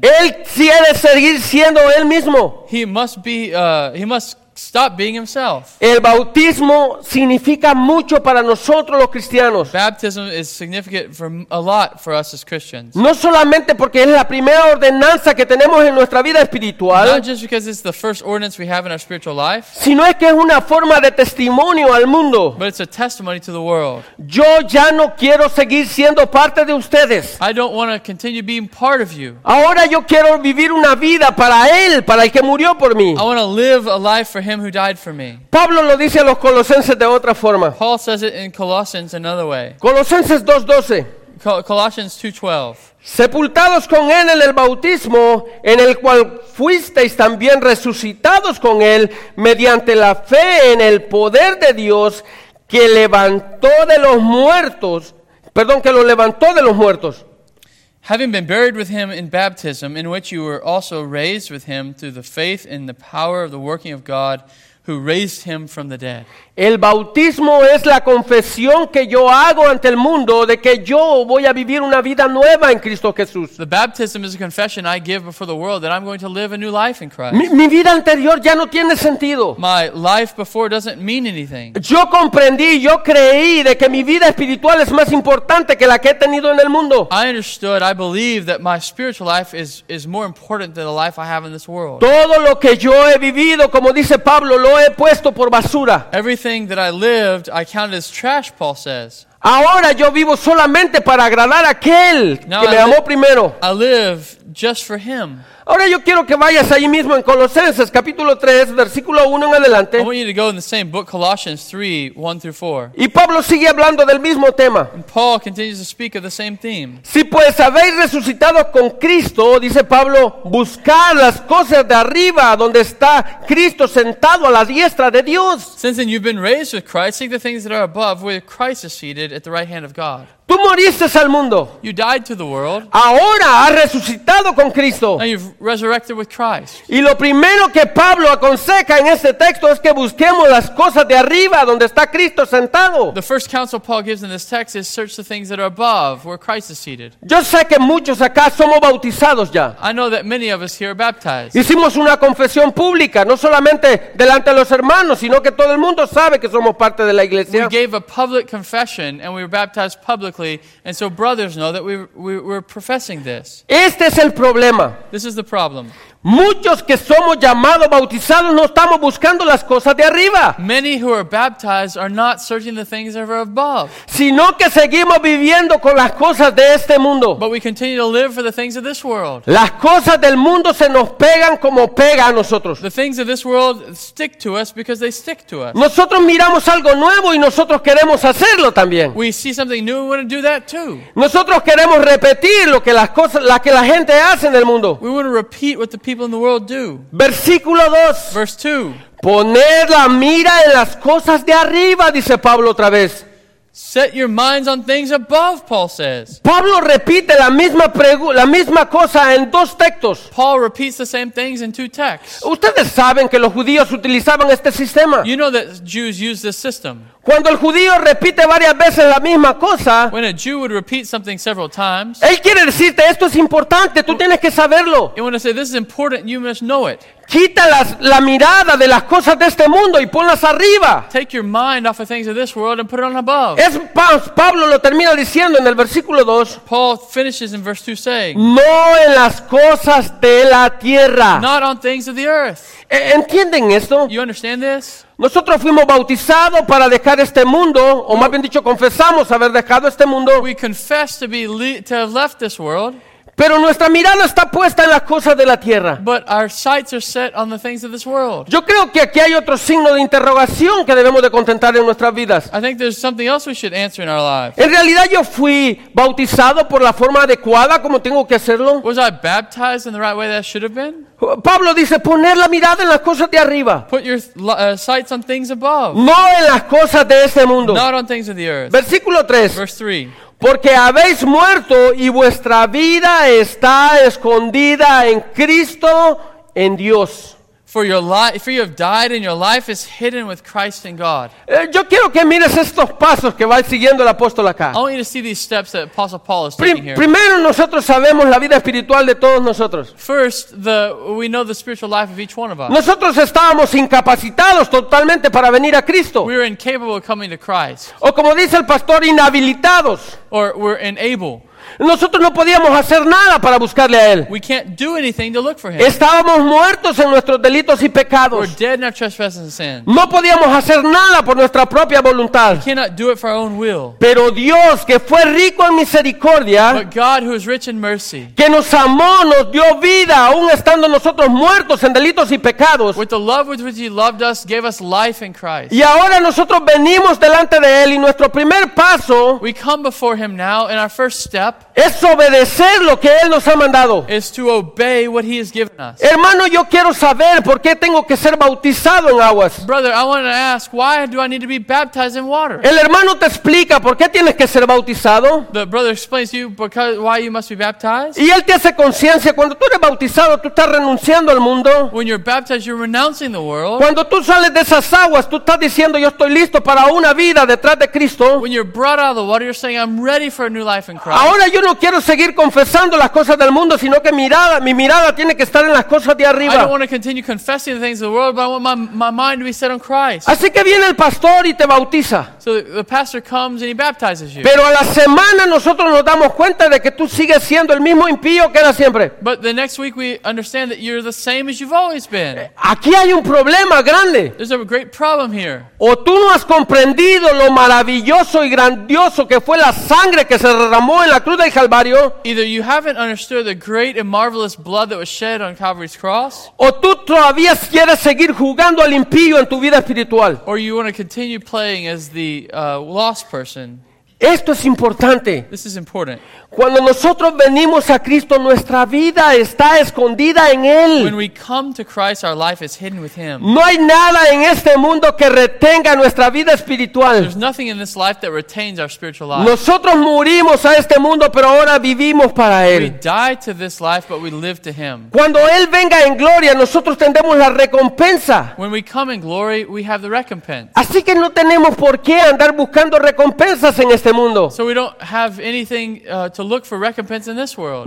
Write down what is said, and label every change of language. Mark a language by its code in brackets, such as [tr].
[es] Él quiere seguir siendo él mismo. [en] He must stop being himself. [es] El bautismo significa mucho para nosotros los cristianos. [en] Baptism is significant a lot for us as Christians. [es] No solamente porque es la primera ordenanza que tenemos en nuestra vida espiritual. [en] Not just because it's the first ordinance we have in our spiritual life. [es] Sino es que es una forma de testimonio al mundo. [en] But it's a testimony to the world. [es] Yo ya no quiero seguir siendo parte de ustedes. [en] I don't want to continue being part of you. [es] Ahora yo quiero vivir una vida para él, para el que murió por mí. [en] I want to live a life for him who died for me. [es] Pablo lo dice a los colosenses de otra forma. [en] Paul says it in Colossians another way. [es] Colosenses 2:12. [en] Colossians 2:12. [es] Sepultados con él en el bautismo, en el cual fuisteis también resucitados con él mediante la fe en el poder de Dios que levantó de los muertos, que lo levantó de los muertos. [en] Having been buried with him in baptism, in which you were also raised with him through the faith in the power of the working of God who raised him from the dead. [es] El bautismo es la confesión que yo hago ante el mundo de que yo voy a vivir una vida nueva en Cristo Jesús. [en] The baptism is a confession I give before the world that I'm going to live a new life in Christ. [es] Mi vida anterior ya no tiene sentido. [en] My life before doesn't mean anything. [es] Yo comprendí, yo creí de que mi vida espiritual es más importante que la que he tenido en el mundo. [en] I understood, I believe that my spiritual life is more important than the life I have in this world. [es] Todo lo que yo he vivido, como dice Pablo, lo he puesto por basura. [en] Everything that I lived, I counted as trash, Paul says. [es] Ahora yo vivo solamente para agradar a aquel [en] Now [es] que me amó primero. [en] I live just for him. [es] Ahora yo quiero que vayas ahí mismo en Colosenses, capítulo 3, versículo 1 en adelante. [en] I want you to go in the same book, Colossians 3, 1 through 4. [es] Y Pablo sigue hablando del mismo tema. [en] And Paul continues to speak of the same theme. [es] Si pues habéis resucitado con Cristo, dice Pablo, buscad las cosas de arriba, donde está Cristo sentado a la diestra de Dios. [en] Since then you've been raised with Christ, seek the things that are above, where Christ is seated at the right hand of God. [es] Tú moriste al mundo. [en] You died to the world. [es] Ahora has resucitado con Cristo. [en] Now you've resurrected with Christ. [es] Y lo primero que Pablo aconseja en este texto es que busquemos las cosas de arriba donde está Cristo sentado. [en] The first counsel Paul gives in this text is search the things that are above where Christ is seated. [es] Yo sé que muchos acá somos bautizados ya. [en] I know that many of us here are baptized. [es] Hicimos una confesión pública, no solamente delante de los hermanos, sino que todo el mundo sabe que somos parte de la iglesia. [en] We gave a public confession and we were baptized publicly. And so brothers know that we're professing this. [es] Este es el problema. [en] This is the problem. [es] Muchos que somos llamados, bautizados, no estamos buscando las cosas de arriba. [en] Many who are baptized are not searching the things that are above. [es] Sino que seguimos viviendo con las cosas de este mundo. [en] But we continue to live for the things of this world. [es] Las cosas del mundo se nos pegan como pega a nosotros. [en] The things of this world stick to us because they stick to us. [es] Nosotros miramos algo nuevo y nosotros queremos hacerlo también. [en] We see something new and we want to do that too. [es] Nosotros queremos repetir lo que las cosas, la que la gente hace en el mundo. [en] We want to repeat what the people in the world do. [es] Versículo 2. [en] Verse 2. [es] Poner la mira en las cosas de arriba, dice Pablo otra vez. [en] Set your minds on things above, Paul says. [es] Pablo repite la misma cosa en dos textos. [en] Paul repeats the same things in two texts. [es] Ustedes saben que los judíos utilizaban este sistema. [en] You know that Jews use this system. [es] Cuando el judío repite varias veces la misma cosa, [en] when a Jew would repeat something several times, [es] él quiere decirte, esto es importante, tú tienes que saberlo. [en] He wants to say, this is important, you must know it. [es] Quita la mirada de las cosas de este mundo y ponlas arriba. [en] Take your mind off of things of this world and put it on above. [es] Es Pablo lo termina diciendo en el versículo 2. [en] Paul finishes in verse 2 saying, [es] no en las cosas de la tierra. [en] Not on things of the earth. [es] ¿Entienden esto? [en] You understand this? [es] Nosotros fuimos bautizados para dejar este mundo, o más bien dicho, confesamos haber dejado este mundo. [en] We confess to have left this world. [es] Pero nuestra mirada está puesta en las cosas de la tierra. [en] But our sights are set on the things of this world. [es] Yo creo que aquí hay otro signo de interrogación que debemos de contestar en nuestras vidas. [en] I think there's something else we should answer in our lives. [es] En realidad yo fui bautizado por la forma adecuada como tengo que hacerlo. [en] Was I baptized in the right way that I should have been? [es] Pablo dice poner la mirada en las cosas de arriba. [en] Put your sights on things above. [es] No en las cosas de este mundo. [en] Not on things of the earth. [es] Versículo 3. [en] Verse 3. [es] Porque habéis muerto y vuestra vida está escondida en Cristo en Dios. [en] For you have died and your life is hidden with Christ in God. [es] Yo quiero que mires estos pasos que va siguiendo el apóstol acá. [en] I want you to see these steps that Apostle Paul is taking here. [es] Primero nosotros sabemos la vida espiritual de todos nosotros. [en] First, we know the spiritual life of each one of us. [es] Nosotros estábamos incapacitados totalmente para venir a Cristo. [en] We were incapable of coming to Christ. [es] O como dice el pastor, inhabilitados. [en] Or we're unable. [es] Nosotros no podíamos hacer nada para buscarle a Él. [en] We can't do anything to look for Him. [es] Estábamos muertos en nuestros delitos y pecados. [en] We're dead in our trespasses and sins. [es] No podíamos hacer nada por nuestra propia voluntad. [en] We cannot do it for our own will. [es] Pero Dios, que fue rico en misericordia, [en] but God, who is rich in mercy, [es] que nos amó, nos dio vida, aún estando nosotros muertos en delitos y pecados, [en] with the love with which He loved us, gave us life in Christ. [es] Y ahora nosotros venimos delante de Él y nuestro primer paso, [en] we come before Him now, and our first step, [es] es obedecer lo que Él nos ha mandado. [en] Is to obey what He has given us. [es] Hermano, yo quiero saber por qué tengo que ser bautizado en aguas. [en] Brother, I want to ask, why do I need to be baptized in water? [es] El hermano te explica por qué tienes que ser bautizado. [en] The brother explains to you because why you must be baptized. [es] Y él te hace conciencia, cuando tú eres bautizado, tú estás renunciando al mundo. [en] When you're baptized, you're renouncing the world. [es] Cuando tú sales de esas aguas, tú estás diciendo, yo estoy listo para una vida detrás de Cristo. [en] When you're brought out of the water, you're saying, I'm ready for a new life in Christ. [es] Ahora yo no quiero seguir confesando las cosas del mundo, sino que mi mirada tiene que estar en las cosas de arriba. [en] I don't want to continue confessing the things of the world, but I want my mind to be set on Christ. [es] Así que viene el pastor y te bautiza. [en] So the pastor comes and he baptizes you. [es] Pero a la semana nosotros nos damos cuenta de que tú sigues siendo el mismo impío que era siempre. [en] But the next week we understand that you're the same as you've always been. [es] Aquí hay un problema grande. [en] There's a great problem here. [es] O tú no has comprendido lo maravilloso y grandioso que fue la sangre que se derramó en la cruz del Calvario. [en] Either you haven't understood the great and marvelous blood that was shed on Calvary's cross, [es] o tú todavía quieres seguir jugando al impío en tu vida espiritual, [en] or you want to continue playing as the lost person. [es] Esto es importante. [en] This is important. [es] Cuando nosotros venimos a Cristo, nuestra vida está escondida en Él. [en] When we come to Christ, our life is hidden with Him. [es] No hay nada en este mundo que retenga nuestra vida espiritual. [en] There's nothing in this life that retains our spiritual life. [es] Nosotros morimos a este mundo, pero ahora vivimos para Él. [en] We die to this life, but we live to Him. [es] Cuando Él venga en gloria, nosotros tendremos la recompensa. [en] When we come in glory, we have the recompense. [es] Así que no tenemos por qué andar buscando recompensas en este mundo. [en] So we don't have anything to look for recompense in this world.